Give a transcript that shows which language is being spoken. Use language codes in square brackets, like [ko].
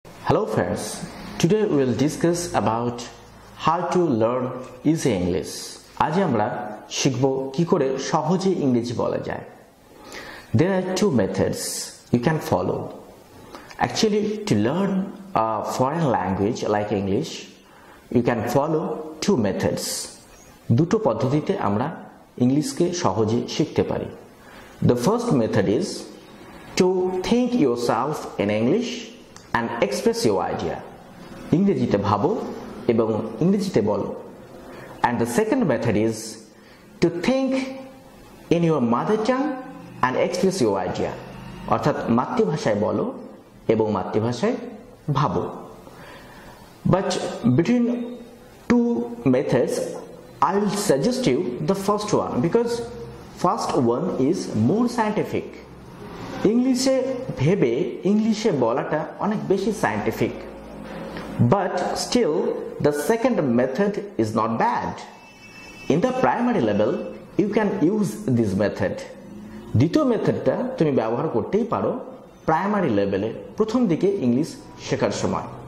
[en] Hello friends, today we will discuss about how to learn easy English. [bn] আজ আমরা শিখব কি করে সহজে ইংরেজি বলা যায়। [en] There are two methods you can follow. Actually, to learn a foreign language like English, you can follow two methods. [bn] দুটো পদ্ধতিতে আমরা ইংলিশকে সহজে শিখতে পারি। [en] The first method is to think yourself in English and express your idea. [bn] ইংরেজিতে ভাবো এবং ইংরেজিতে বলো। [en] And the second method is to think in your mother tongue and express your idea. [bn] অর্থাৎ মাতৃভাষায় বলো এবং মাতৃভাষায় ভাবো। [en] But between two methods, I'll suggest you the first one because first one is more scientific. [bn] ইংলিশে ভেবে ইংলিশে বলাটা অনেক বেশি scientific [en] but still the second method is not bad in the primary level you can use this method [bn] দ্বিতীয় মেথডটা তুমি ব্যবহার করতেই পারো প্রাইমারি লেভেলে প্রথম দিকে ইংলিশ শেখার সময়